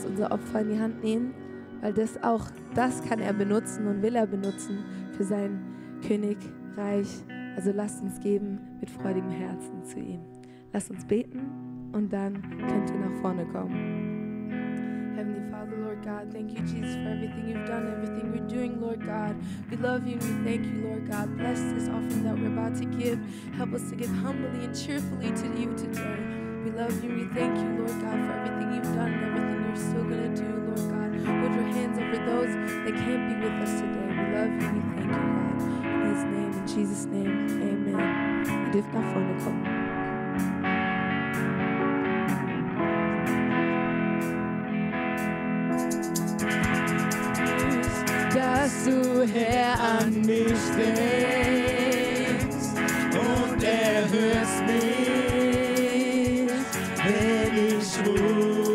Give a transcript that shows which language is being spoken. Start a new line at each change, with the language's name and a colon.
German: Opfer in die Hand nehmen, weil das auch, das kann er benutzen und will er benutzen für sein Königreich. Also lasst uns geben mit freudigem Herzen zu ihm. Lasst uns beten und dann könnt ihr nach vorne kommen.
English: Heavenly Father, Lord God, thank you, Jesus, for everything you've done, everything you're doing, Lord God. We love you and we thank you, Lord God. Bless this offering that we're about to give. Help us to give humbly and cheerfully to you today. We love you and we thank you, Lord God, for everything you've done and everything still gonna do, Lord God. Put your hands over those that can't be with us today. We love you. We thank you, God. In His name, in Jesus' name, amen. You
German: dürft nach vorne kommen. Dass du Herr an mich denkst und erhörst mich, wenn ich ruhe.